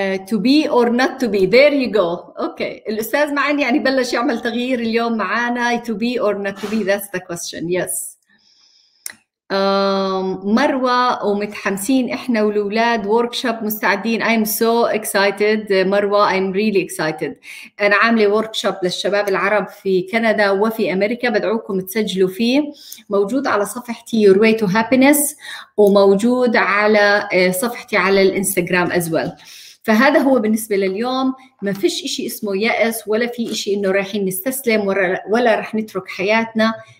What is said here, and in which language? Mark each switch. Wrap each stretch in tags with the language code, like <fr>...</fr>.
<en>To be or not to be, there you go.</en> <ar>اوكي الاستاذ معنا يعني بلش يعمل تغيير اليوم معنا.</ar> <en>To be or not to be, that's the question. Yes.</en> <ar>مروة ومتحمسين احنا والولاد، وركشوب مستعدين.</ar> <en>I'm so excited مروة. I'm really excited.</en> <ar>انا عاملة وركشوب للشباب العرب في كندا وفي امريكا، بدعوكم تسجلوا فيه، موجود على صفحتي Your Way to Happiness، وموجود على صفحتي على الانستغرام as well. فهذا هو بالنسبة لليوم، ما فيش اشي اسمه يأس، ولا في اشي انه رايحين نستسلم ولا رح نترك حياتنا.</ar>